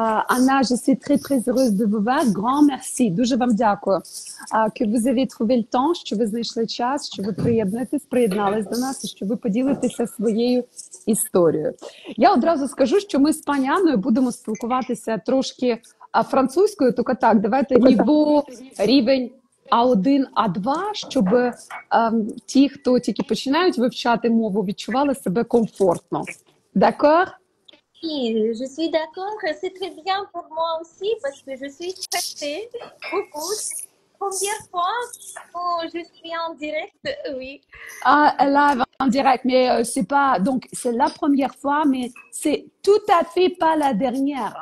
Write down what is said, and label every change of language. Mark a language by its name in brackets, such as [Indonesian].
[French] Anna, je suis très très heureuse de vous voir. Grand merci. [Ukrainian] Дуже вам дякую. [French] Que vous avez trouvé le temps, [Ukrainian] що ви знайшли час, що ви приєдналися до нас, що ви поділитеся своєю історією. Я одразу скажу, що ми з пані Анною будемо спілкуватися трошки А французькою, тільки так, давайте ніво, рівень А1, А2, щоб ті, хто тільки починають вивчати мову, відчували себе комфортно. [French] D'accord? Je suis d'accord, c'est très bien pour moi aussi parce que je suis stressée beaucoup. Première fois, oh, je suis en direct, oui. Live en direct, mais c'est pas donc c'est la première fois, mais c'est tout à fait pas la dernière.